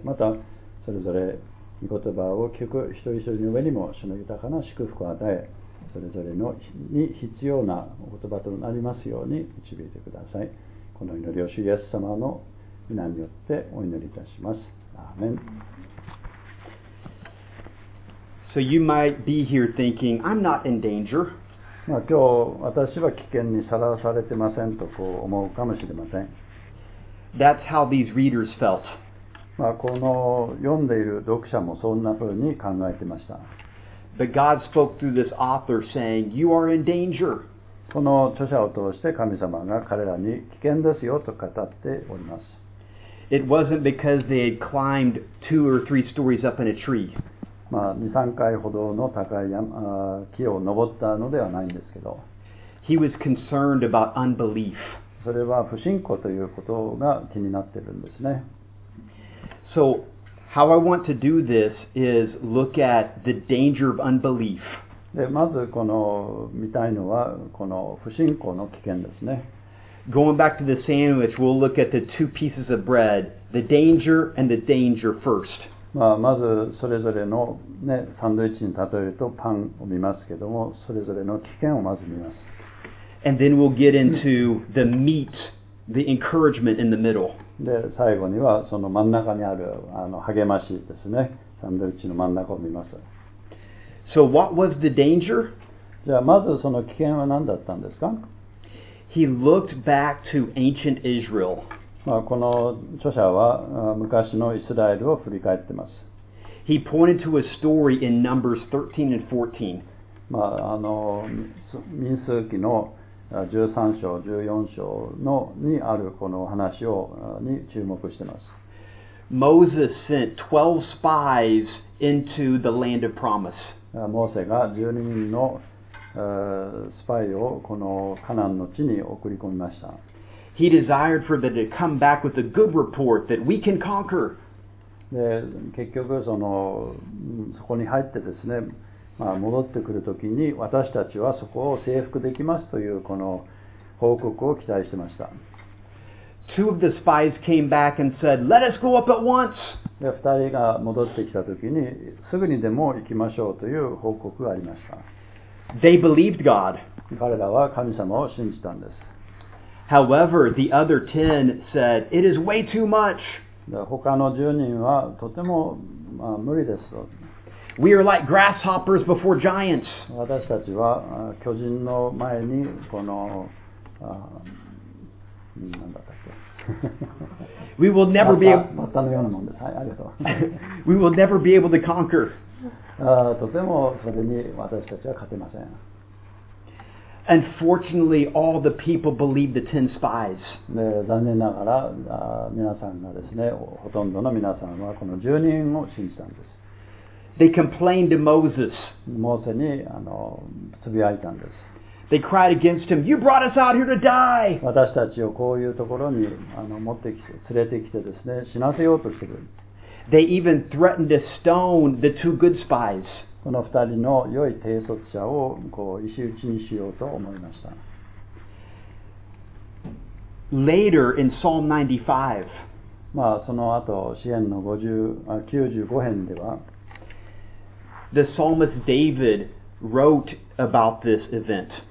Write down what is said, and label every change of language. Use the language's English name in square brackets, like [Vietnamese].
[Japanese] またそれぞれ御言葉を聞く一人一人の上にも主の豊かな祝福を与え、それぞれのに必要な御言葉となりますように導いてください。この祈りを主イエス様の御名によってお祈りいたします。アーメン。 [English] So you might be here thinking, I'm not in danger. [Japanese] まあ今日私は危険にさらされてませんとこう思うかもしれません。 [English] That's how these readers felt. [Japanese] まあこの読んでいる読者もそんな風に考えてました。 [English] But God spoke through this author saying, you are in danger. [Japanese] この著者を通して神様が彼らに危険ですよと語っております。 [English] It wasn't because they had climbed two or three stories up in a tree. [Japanese] まあ、2、3回ほどの高い山、木を登ったのではないんですけど。 [English] He was concerned about unbelief. [Japanese] それは不信仰ということが気になっているんですね。 [English] So, how I want to do this is look at the danger of unbelief. [Japanese] で、まずこの見たいのはこの不信仰の危険ですね。 [English] Going back to the sandwich, we'll look at the two pieces of bread, the danger and the danger first. [Japanese] まあ、まずそれぞれの、ね、サンドイッチに例えるとパンを見ますけども、それぞれの危険をまず見ます。 [English] And then we'll get into the meat, the encouragement in the middle. [Japanese] で、最後にはその真ん中にある励ましですね。サンドイッチの真ん中を見ます。 [English] So what was the danger? [Japanese] じゃあまずその危険は何だったんですか? [English] He looked back to ancient Israel. [Japanese] まあ、この著者は昔のイスラエルを振り返ってます。 [English] He pointed to a story in Numbers 13 and 14. [Japanese] まあ、民数記の13章、14章のにあるこの話をに注目してます。 [English] Moses sent 12 spies into the land of promise. [Japanese] モーセが12人のスパイをこのカナンの地に送り込みました。 [English] He desired for them to come back with a good report that we can conquer. [Japanese] で、結局そこに入ってですね、まあ、戻ってくるときに私たちはそこを征服できますというこの報告を期待してました。 [English] Two of the spies came back and said, "Let us go up at once." [Japanese] で、二人が戻ってきたときにすぐにでも行きましょうという報告がありました。 [English] They believed God. [Japanese] 彼らは神様を信じたんです。 [English] However, the other ten said, "It is way too much." [Japanese] 他の10人はとても、まあ、無理です。 [English] We are like grasshoppers before giants. [Japanese] 私たちは巨人の前にこの、なんだったっけ。 [English] We will never be. [Japanese] バッタのようなもんです。はい、ありがとう。 [English] We will never be able to conquer. [Japanese] とてもそれに私たちは勝てません。 [English] Unfortunately, all the people believed the ten spies. [Japanese] 残念ながら、皆さんがですね、ほとんどの皆さんはこの10人を信じたんです。 [English] They complained to Moses. [Japanese] モーセにつぶやいたんです。 [English] They cried against him, "You brought us out here to die!" [Japanese] 私たちをこういうところに持ってきて、連れてきてですね、死なせようとしてる。 [English] They even threatened to stone the two good spies. [Japanese] この二人の良い偵察者をこう石打ちにしようと思いました。 [English] Later in Psalm 95, [Japanese] まあその後詩編の95編では、 [English] The psalmist David wrote about this event.